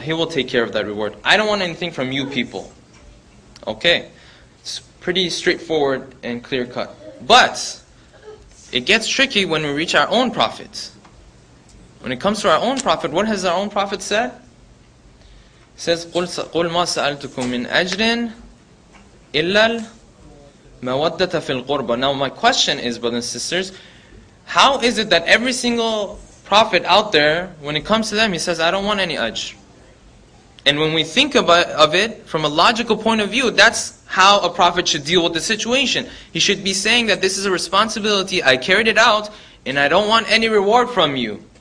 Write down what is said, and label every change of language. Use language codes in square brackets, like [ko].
[en] He will take care of that reward. I don't want anything from you people. Okay? It's pretty straightforward and clear cut. But, it gets tricky when we reach our own prophet. When it comes to our own prophet, what has our own prophet said? It says, [ar] قُلْ مَا سَأَلْتُكُمْ مِنْ أَجْرٍ إِلَّا الْمَوَدَّةَ فِي الْقُرْبَةِ. [en] Now my question is, brothers and sisters, how is it that every single prophet out there, when it comes to them, he says, I don't want any ajr. And when we think of it, from a logical point of view, that's how a prophet should deal with the situation. He should be saying that this is a responsibility, I carried it out, and I don't want any reward from you.